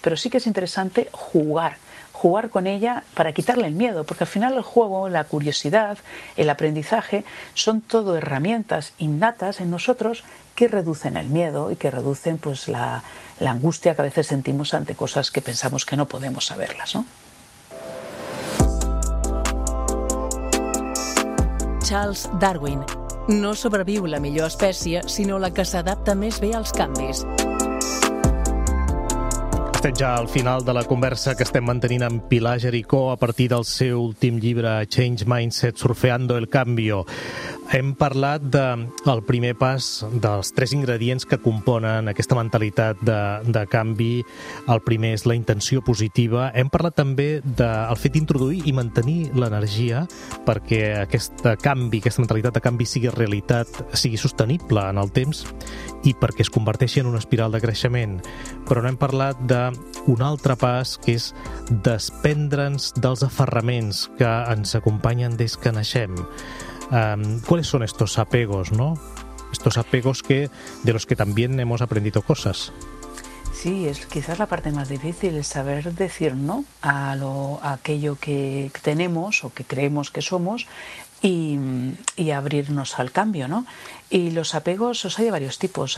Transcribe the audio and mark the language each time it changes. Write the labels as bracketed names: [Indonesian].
[Spanish] Pero sí que es interesante jugar con ella para quitarle el miedo, porque al final el juego, la curiosidad, el aprendizaje, son todo herramientas innatas en nosotros que reducen el miedo y que reducen pues la angustia que a veces sentimos ante cosas que pensamos que no podemos saberlas, ¿no? [Catalan] Charles Darwin: no sobreviu la millor espècie, sinó la que s'adapta més bé als canvis. Estem ja al final de la conversa que estem mantenint amb Pilar Jericó a partir del seu últim llibre, Change Mindset, Surfeando el Cambio. Hem parlat del primer pas, dels tres ingredients que componen aquesta mentalitat de canvi. El primer és la intenció positiva. Hem parlat també del fet d'introduir i mantenir l'energia perquè aquest canvi, aquesta mentalitat de canvi sigui realitat, sigui sostenible en el temps i perquè es converteixi en una espiral de creixement. Però no hem parlat d'un altre pas, que és desprendre'ns dels aferraments que ens acompanyen des que naixem. [Spanish] ¿Cuáles son estos apegos, no? Estos apegos que de los que también hemos aprendido cosas. Sí, es quizás la parte más difícil, saber decir no a aquello que tenemos o que creemos que somos y abrirnos al cambio, ¿no? Y los apegos, o sea, hay varios tipos.